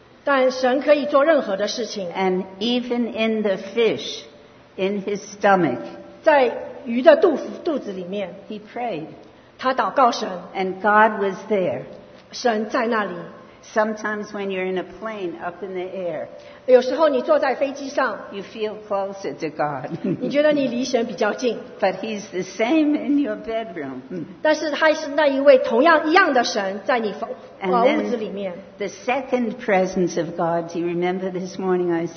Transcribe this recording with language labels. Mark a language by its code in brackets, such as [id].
[zh] 但神可以做任何的事情。 [en] And even in the fish, in his stomach, [zh] 在鱼的肚子里面 [en] ，he prayed. [zh] 他祷告神。 [en] And God was there. [zh] 神在那里。 [en] Sometimes when you're in a plane up in the air, [zh] 有时候你坐在飞机上 [en] ，you feel closer to God. [zh] 你觉得你离神比较近。 [en] But he's the same in your bedroom. [zh] 但是他是那一位同样一样的神在你房。 [en] And then the second presence of God, do you remember this morning I said?